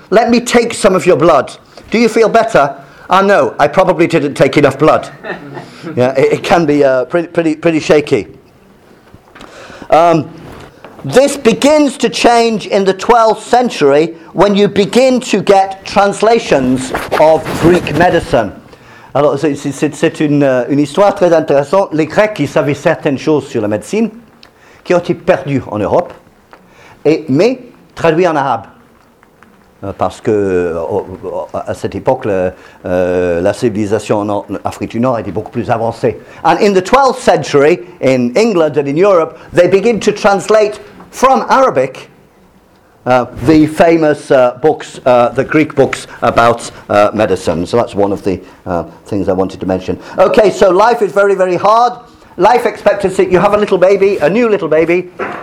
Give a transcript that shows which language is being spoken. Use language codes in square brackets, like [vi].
[en] Let me take some of your blood. Do you feel better? Ah, no, I probably didn't take enough blood. Yeah, it can be pretty shaky. This begins to change in the 12th century when you begin to get translations of Greek medicine. [fr] Alors, c'est une histoire très intéressante. Les Grecs, ils savaient certaines choses sur la médecine qui ont été perdues en Europe, mais traduites en arabe. Parce que à cette époque, la civilisation en Afrique du Nord était beaucoup plus avancée. [en] And in the 12th century, in England and in Europe, they begin to translate from Arabic the famous books, the Greek books about medicine. So that's one of the things I wanted to mention. Okay, so life is very, very hard. Life expectancy, you have a little baby, a new little baby.